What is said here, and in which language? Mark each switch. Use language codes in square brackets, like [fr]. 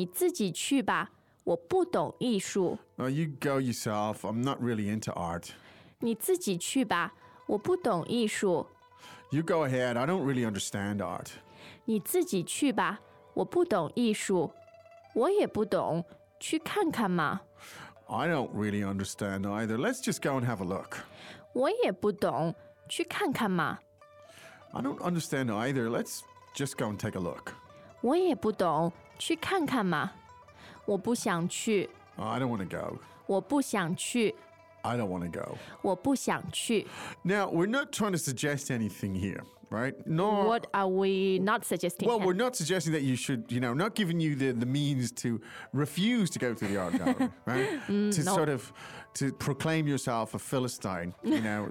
[zh] 我想看看画。你自己去吧，我不懂艺术。You [en] go yourself, I'm not really into art. [zh] 你自己去吧，我不懂艺术。 [en] You go ahead, I don't really understand art. [zh] 你自己去吧，我不懂艺术。我也不懂，去看看嘛。 [en] I don't really understand either. Let's just go and have a look. [zh] 我也不懂，去看看嘛。I [en] don't understand either. Let's just go and take a look. [zh] 我也不懂，去看看嘛。我不想去。I [en] don't want to go. [zh] 我不想去。 [en] I don't want to go. [zh] 我不想去. [en] Now, we're not trying to suggest anything here, right? Nor, what are we not suggesting? Well, we're not suggesting that you should, you know, not giving you the means to refuse to go to the art gallery, right? Sort of, to proclaim yourself a Philistine, you know.